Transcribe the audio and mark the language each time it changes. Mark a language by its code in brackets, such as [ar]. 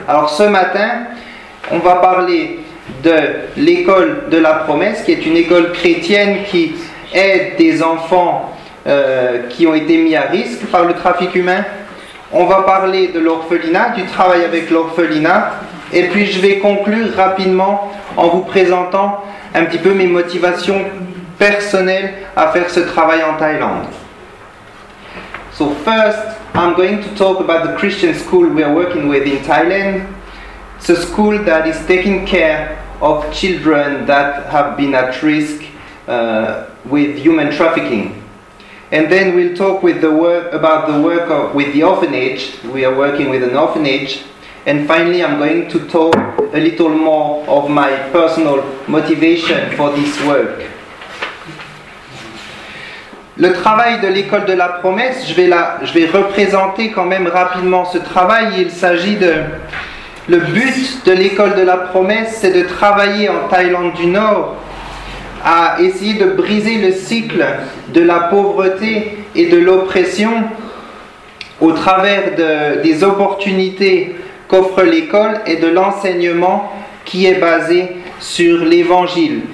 [fr] Alors ce matin, on va parler de l'école de la promesse, qui est une école chrétienne qui aide des enfants qui ont été mis à risque par le trafic humain. On va parler de l'orphelinat, du travail avec l'orphelinat, et puis je vais conclure rapidement en vous présentant un petit peu mes motivations personnelles à faire ce travail en Thaïlande. [en] So first, I'm going to talk about the Christian school we are working with in Thailand. It's a school that is taking care of children that have been at risk with human trafficking. And then we'll talk about the work with the orphanage. We are working with an orphanage. And finally, I'm going to talk a little more of my personal motivation for this work. [fr] Le travail de l'école de la promesse, je vais représenter quand même rapidement ce travail. Il s'agit de... Le but de l'école de la promesse, c'est de travailler en Thaïlande du Nord à essayer de briser le cycle de la pauvreté et de l'oppression au travers des opportunités qu'offre l'école et de l'enseignement qui est basé sur l'évangile.